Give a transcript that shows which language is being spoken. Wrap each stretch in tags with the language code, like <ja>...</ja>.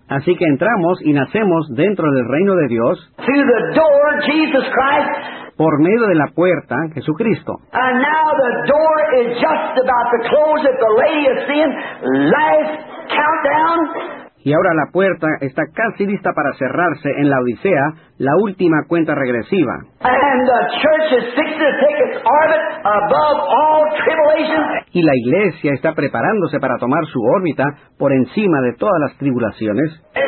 <es>Así que entramos y nacemos dentro del reino de Dios.</es> <en>Through the door, Jesus Christ.</en> <es>Por medio de la puerta, Jesucristo.</es> <en>And now the door is just about to close at the lady of sin. Life countdown.</en> <es>Y ahora la puerta está casi lista para cerrarse en la Odisea, la última cuenta regresiva.</es> <en>And the church is fixing to take its orbit above all tribulation.</en> <es>Y la iglesia está preparándose para tomar su órbita por encima de todas las tribulaciones.</es>